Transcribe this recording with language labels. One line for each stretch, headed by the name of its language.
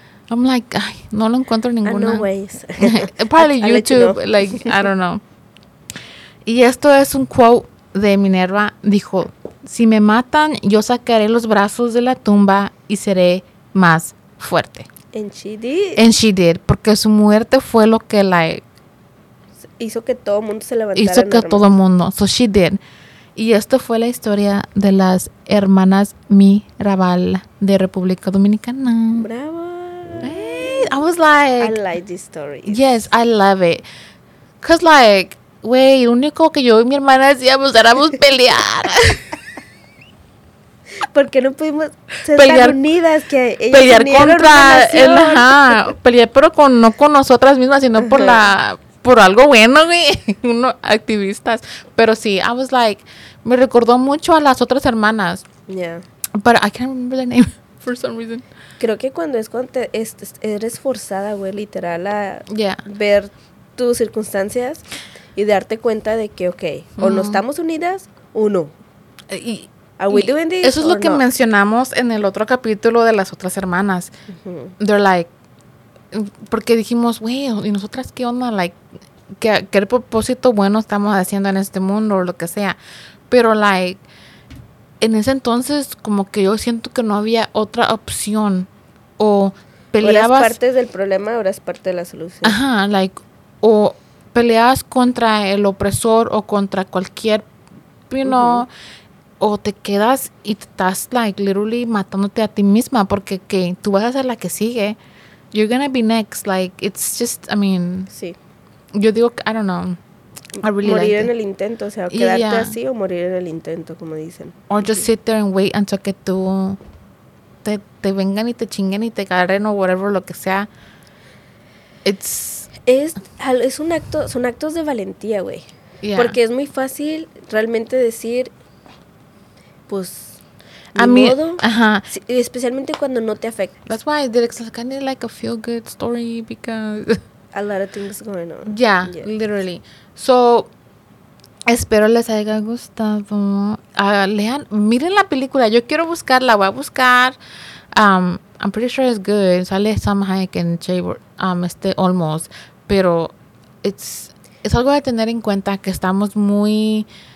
English: I'm like,
Spanish: ay, no lo encuentro ninguna.
English: No ways. Probably YouTube, like, I don't know.
Spanish: Y esto es un quote de Minerva. Dijo, si me matan, yo sacaré los brazos de la tumba y seré más fuerte.
English: And she did. And she did,
Spanish: porque su muerte fue lo que la... hizo que todo el mundo se levantara. Hizo que todo el mundo.
English: So she did.
Spanish: Y esto fue la historia de las hermanas Mirabal de República Dominicana. Bravo.
English: I was like, I like this story. Yes, I love it. Cause like,
Spanish: wey, lo único que yo y mi hermana hacíamos era pelear. Porque no pudimos ser pelear, tan unidas que ellas pelear contra el, ajá, pelear, pero no con nosotras mismas, sino por por algo bueno, güey. Uno activistas. Pero sí,
English: I was like,
Spanish: me recordó mucho a las otras hermanas.
English: Yeah. But I can't remember the name for some reason.
Spanish: Creo que cuando eres forzada, güey, literal, a ver tus circunstancias y darte cuenta de que, ok, o no estamos unidas, o no. Y,
English: are we doing this?
Spanish: Eso es lo que mencionamos en el otro capítulo de las otras hermanas. Mm-hmm.
English: They're like,
Spanish: porque dijimos, güey, ¿y nosotras qué onda? Like, ¿qué propósito bueno estamos haciendo en este mundo o lo que sea? Pero, like, en ese entonces, como que yo siento que no había otra opción. O peleabas. Eras parte del problema, eras parte de la solución. Ajá, like, o peleabas contra el opresor o contra cualquier, you know, uh-huh. O te quedas y estás, like, literally matándote a ti misma porque que tú vas a ser la que sigue.
English: You're gonna be next, like, it's just, I mean.
Spanish: Sí. Yo digo,
English: I don't know. I really
Spanish: morir
English: like
Spanish: en
English: it.
Spanish: El intento, o sea, quedarte yeah. así o morir en el intento, como dicen.
English: Or just sit there and wait until
Spanish: que tú te vengan y te chinguen y te agarren o whatever, lo que sea. It's. Es un acto, son actos de valentía, güey. Yeah. Porque es muy fácil realmente decir, pues. A mí, ajá. Si, especialmente cuando no te afecta.
English: That's why I did it, cause I kind of like a feel good story because. A lot of things going on. Yeah, yes. Literally.
Spanish: So, espero les haya gustado. Lean, miren la película. Yo quiero buscarla, voy a buscar.
English: I'm pretty sure it's good.
Spanish: Sale Sam Hayek en Chabot. Almost. Pero es algo de tener en cuenta que estamos muy.